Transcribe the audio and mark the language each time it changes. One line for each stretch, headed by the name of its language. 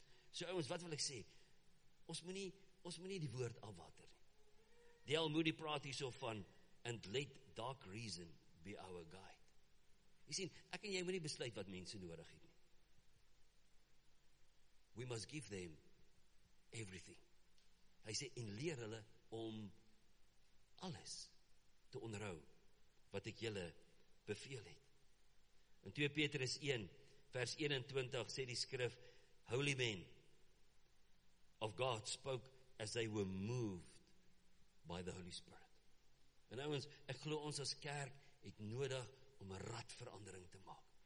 Afrikaans: so ouwens, wat wil ek sê, ons moet nie die woord afwater nie, Dale Moody praat hier so van,
English: and let dark reason be our guide,
Afrikaans: jy sien, ek en jy moet nie besluit wat mense nodig het nie,
English: we must give them everything,
Afrikaans: hy sê, en leer hulle om alles te onderhou, wat ek julle beveel het. In 2 Petrus 1, vers 21, sê die skrif,
English: holy men of God spoke as they were moved by the Holy Spirit.
Afrikaans: En ouwens, ek geloof ons as kerk het nodig om een radverandering te maak.